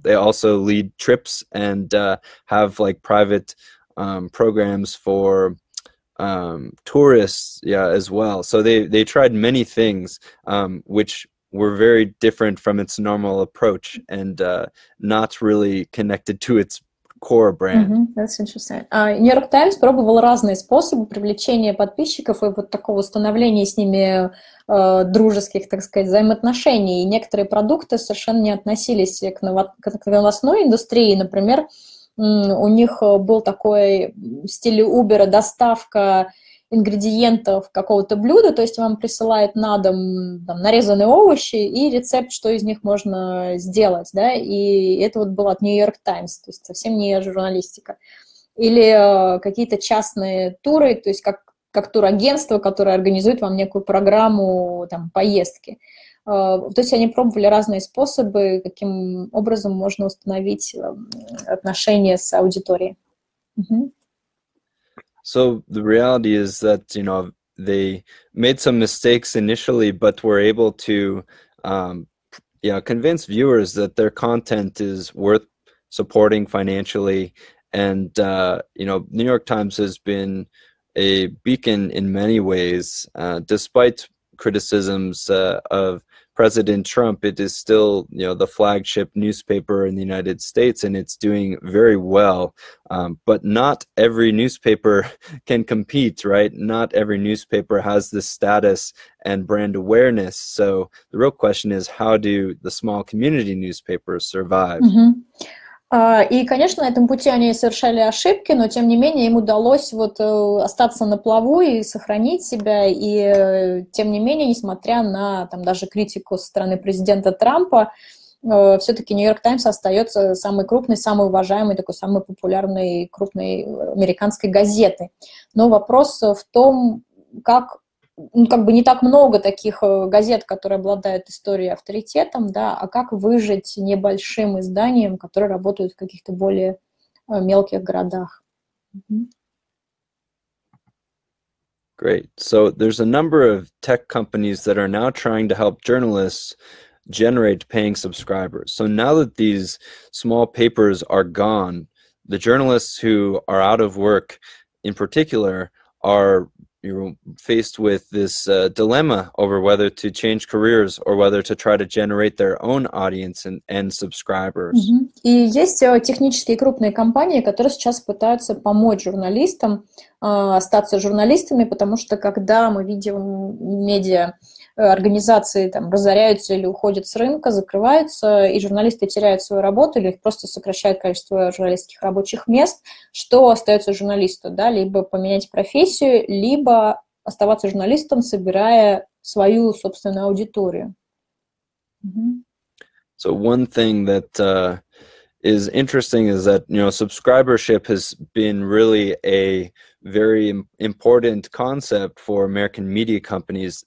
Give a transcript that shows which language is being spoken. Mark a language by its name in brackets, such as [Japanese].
[English] They also lead trips and have like private programs for tourists, yeah, as well. So they tried many things which were very different from its normal approach and not really connected to its core brand. Mm-hmm. That's interesting. [Russian] New York Times пробовал разные способы привлечения подписчиков и вот такого становления с ними дружеских, так сказать, взаимоотношений. И некоторые продукты совершенно не относились к новостной индустрии. Например, у них был такой в стиле Uber доставка ингредиентов какого-то блюда, то есть вам присылают на дом там, нарезанные овощи и рецепт, что из них можно сделать, да, и это вот было от New York Times, то есть совсем не журналистика. Или какие-то частные туры, то есть как турагентство, которое организует вам некую программу там поездки. То есть они пробовали разные способы, каким образом можно установить отношения с аудиторией. [English] So the reality is that, you know, they made some mistakes initially, but were able to convince viewers that their content is worth supporting financially. And, New York Times has been a beacon in many ways. Despite criticisms of President Trump, it is still, the flagship newspaper in the United States, and it's doing very well. But not every newspaper can compete, right? Not every newspaper has the status and brand awareness. So the real question is, how do the small community newspapers survive? Mm-hmm. [Russian] И, конечно, на этом пути они совершали ошибки, но, тем не менее, им удалось вот остаться на плаву и сохранить себя. И, тем не менее, несмотря на там, даже критику со стороны президента Трампа, все-таки «Нью-Йорк Таймс» остается самой крупной, самой уважаемой, такой самой популярной крупной американской газетой. Но вопрос в том, как... Ну, как бы не так много таких газет, которые обладают историей и авторитетом, да, а как выжить небольшим изданием, которые работают в каких-то более мелких городах? [English] Mm-hmm. Great. So there's a number of tech companies that are now trying to help journalists generate paying subscribers. So now that these small papers are gone, the journalists who are out of work in particular are... You're faced with this dilemma over whether to change careers or whether to try to generate their own audience and subscribers. Mm-hmm. [Russian] И есть технические крупные компании, которые сейчас пытаются помочь журналистам остаться журналистами, потому что когда мы видим медиа организации там разоряются или уходят с рынка, закрываются, и журналисты теряют свою работу или просто сокращают количество журналистских рабочих мест, что остается журналисту, да, либо поменять профессию, либо оставаться журналистом, собирая свою собственную аудиторию. Mm-hmm. [English] So one thing that is interesting is that, subscribership has been really a very important concept for American media companies.